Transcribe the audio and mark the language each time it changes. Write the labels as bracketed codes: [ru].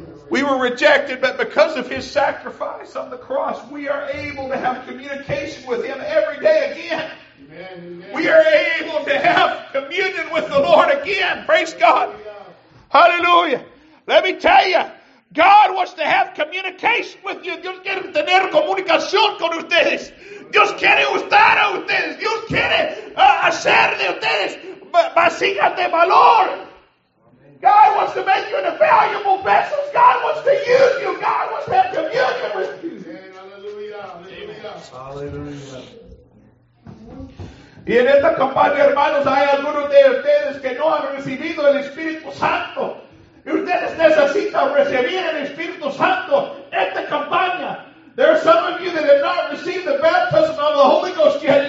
[en] We were rejected, but because of His sacrifice on the cross, we are able to have communication with Him every day again. We are able to have communion with the Lord again. Praise God. Hallelujah. Let me tell you, God wants to have communication with you. [es] Dios quiere tener comunicación con ustedes. Dios quiere usar a ustedes. Dios quiere hacer de ustedes vasijas de valor. [en] God wants to make you into valuable vessels. God wants to use you. God wants to have communion with you. Hallelujah. [es] Y en esta campaña, hermanos, hay algunos de ustedes que no han recibido el Espíritu Santo. Y ustedes necesitan recibir el Espíritu Santo esta campaña. [en] There are some of you that have not received the baptism of the Holy Ghost yet.